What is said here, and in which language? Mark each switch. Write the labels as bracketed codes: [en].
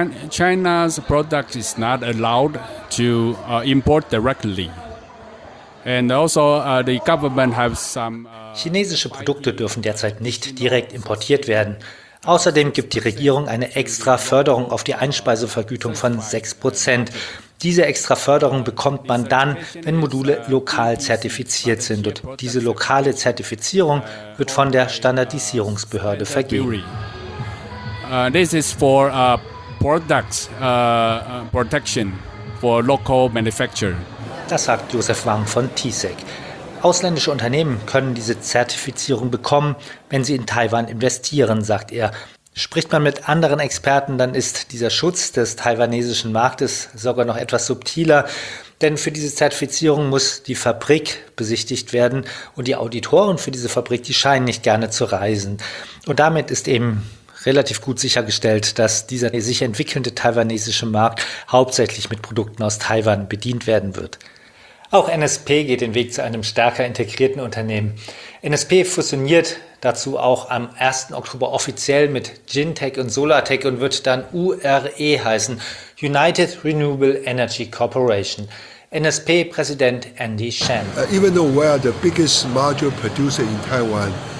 [en] China's product is not allowed to import directly. And also, the government have some, [de] chinesische Produkte dürfen derzeit nicht direkt importiert werden. Außerdem gibt die Regierung eine extra Förderung auf die Einspeisevergütung von 6%. Diese extra Förderung bekommt man dann, wenn Module lokal zertifiziert sind. Und diese lokale Zertifizierung wird von der Standardisierungsbehörde vergeben. [en] This is for product protection for local manufacturer. [de] Das sagt Josef Wang von TSEC. Ausländische Unternehmen können diese Zertifizierung bekommen, wenn sie in Taiwan investieren, sagt er. Spricht man mit anderen Experten, dann ist dieser Schutz des taiwanesischen Marktes sogar noch etwas subtiler. Denn für diese Zertifizierung muss die Fabrik besichtigt werden und die Auditoren für diese Fabrik, die scheinen nicht gerne zu reisen. Und damit ist eben relativ gut sichergestellt, dass dieser sich entwickelnde taiwanesische Markt hauptsächlich mit Produkten aus Taiwan bedient werden wird. Auch NSP geht den Weg zu einem stärker integrierten Unternehmen. NSP fusioniert dazu auch am 1. Oktober offiziell mit Gintec und Solartec und wird dann URE heißen, United Renewable Energy Corporation. NSP-Präsident Andy Shen. [en] Even though we are the biggest module producer in Taiwan,